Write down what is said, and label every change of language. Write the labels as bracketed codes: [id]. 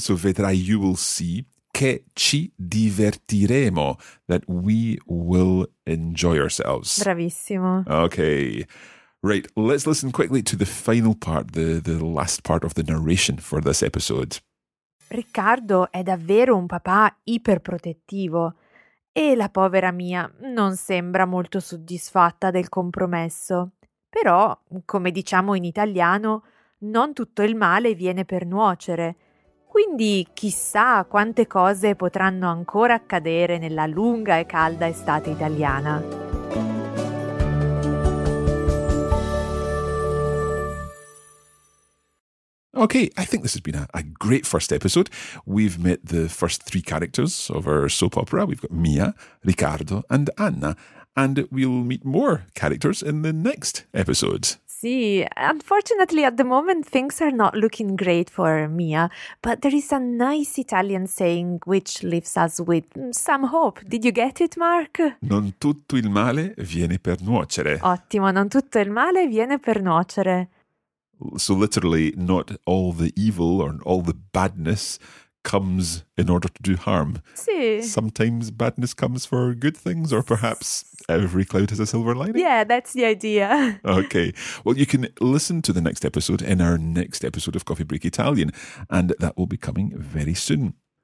[it] So vedrai, [en] you will see, [it] che ci divertiremo, [en] that we will enjoy ourselves. [it] Bravissimo. [en] Okay. Right, let's listen quickly to the final part, the last part of the narration for this episode. [it] Riccardo è davvero un papà iperprotettivo. E la povera Mia non sembra molto soddisfatta del compromesso. Però, come diciamo in italiano, non tutto il male viene per nuocere. Quindi chissà quante cose potranno ancora accadere nella lunga e calda estate italiana. [en] Okay, I think this has been a great first episode. We've met the first three characters of our soap opera. We've got Mia, Ricardo, and Anna. And we'll meet more characters in the next episode. See, unfortunately, at the moment, things are not looking great for Mia. But there is a nice Italian saying which leaves us with some hope. Did you get it, Mark? [it] Non tutto il male viene per nuocere. Ottimo, non tutto il male viene per nuocere. [en] So literally, not all the evil or all the badness comes in order to do harm. [it] Sì. [en] Sometimes badness comes for good things, or perhaps every cloud has a silver lining. Yeah, that's the idea. Okay. Well, you can listen to the next episode in our next episode of Coffee Break Italian, and that will be coming very soon.